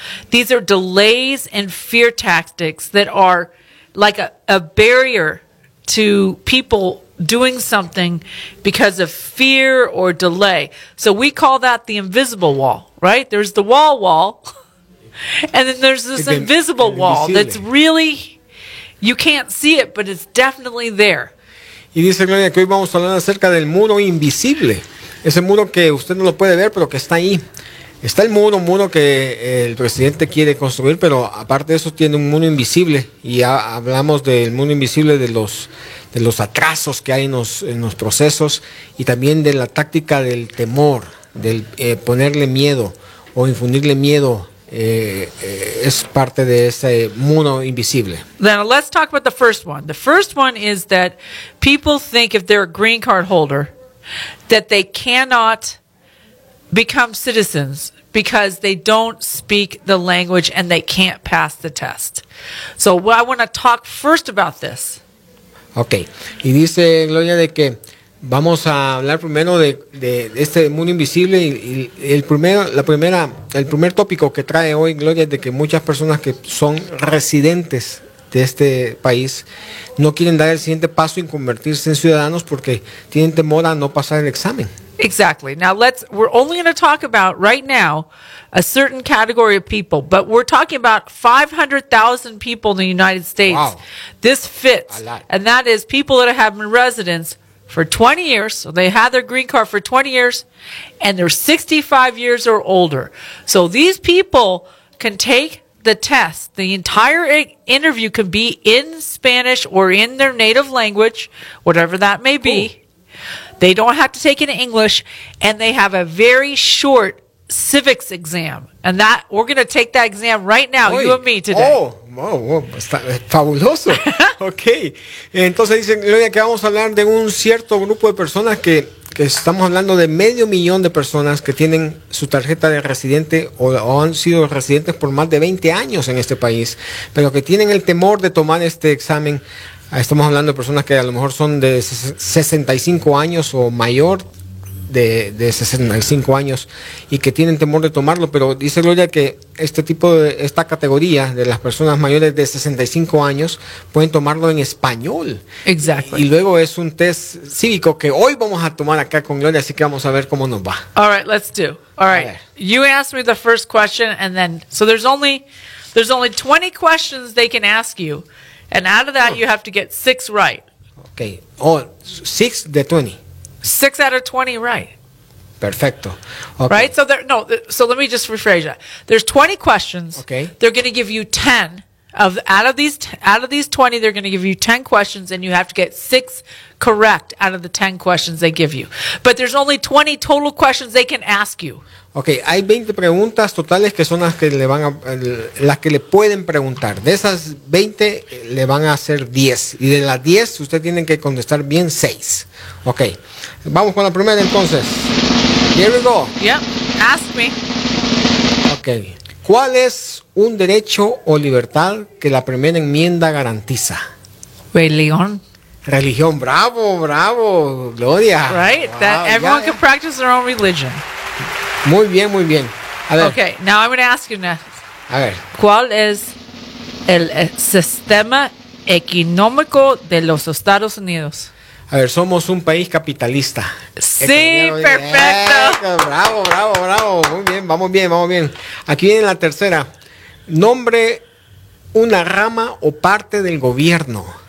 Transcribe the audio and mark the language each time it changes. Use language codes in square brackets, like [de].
[en] These are delays and fear tactics that are like a barrier to people doing something because of fear or delay. So we call that the invisible wall, right? There's the wall, and then there's this invisible wall that's really, you can't see it, but it's definitely there. [es] Y dice Gloria que hoy vamos a hablar acerca del muro invisible. Ese muro que usted no lo puede ver, pero que está ahí. Está el muro que el presidente quiere construir, pero aparte de eso tiene un muro invisible. Y ya hablamos del muro invisible de los atrasos que hay en los procesos y también de la táctica del temor, del ponerle miedo o infundirle miedo. Es parte de ese muro invisible. [en] Now let's talk about the first one. The first one is that people think if they're a green card holder that they cannot become citizens because they don't speak the language and they can't pass the test. So I want to talk first about this. Okay. [es] Y dice Gloria de que vamos a hablar primero de este mundo invisible y el primer tópico que trae hoy Gloria es de que muchas personas que son residentes de este país no quieren dar el siguiente paso y convertirse en ciudadanos porque tienen temor a no pasar el examen. [en] Exactly. Now we're only going to talk about right now a certain category of people, but we're talking about 500,000 people in the United States. Wow. This fits. A lot. And that is people that have been residents for 20 years, so they had their green card for 20 years, and they're 65 years or older. So these people can take the test. The entire interview can be in Spanish or in their native language, whatever that may be. Cool. They don't have to take it in English, and they have a very short civics exam. And that we're going to take that exam right now, Oy. You and me today. [es] Oh. Está fabuloso. Okay. Entonces dicen, Gloria, que vamos a hablar de un cierto grupo de personas que estamos hablando de 500,000 de personas que tienen su tarjeta de residente o han sido residentes por más de 20 años en este país, pero que tienen el temor de tomar este examen. Estamos hablando de personas que a lo mejor son de 65 años o mayor, de 65 años y que tienen temor de tomarlo, pero dice Gloria que este tipo de esta categoría de las personas mayores de 65 años pueden tomarlo en español. Exacto. Y luego es un test cívico que hoy vamos a tomar acá con Gloria, así que vamos a ver cómo nos va. [en] All right, let's do. All right. You asked me the first question and then so there's only 20 questions they can ask you. And out of that, you have to get 6 right. [es] Okay. Oh, 6 de 20. [en] 6 out of 20 right. [es] Perfecto. [en] Okay. Right? So let me just rephrase that. There's 20 questions. Okay. They're going to give you 10 of out of these 20, they're going to give you 10 questions and you have to get 6 correct out of the 10 questions they give you. But there's only 20 total questions they can ask you. [es] Okay, hay 20 preguntas totales que son las que le pueden preguntar. De esas 20 le van a hacer 10 y de las 10 usted tiene que contestar bien 6. Okay. Vamos con la primera entonces. [en] Here we go. Yep. Ask me. Okay. [es] ¿Cuál es un derecho o libertad que la primera enmienda garantiza? Religión. Religión, bravo, bravo, Gloria. [en] Right? Wow. That everyone can practice their own religion. [es] Muy bien, muy bien. A ver. [en] Okay, now I'm going to ask you next. [es] A ver. ¿Cuál es el sistema económico de los Estados Unidos? A ver, somos un país capitalista. Sí, perfecto. Bravo, bravo, bravo. Muy bien, vamos bien, vamos bien. Aquí viene la tercera. Nombre una rama o parte del gobierno.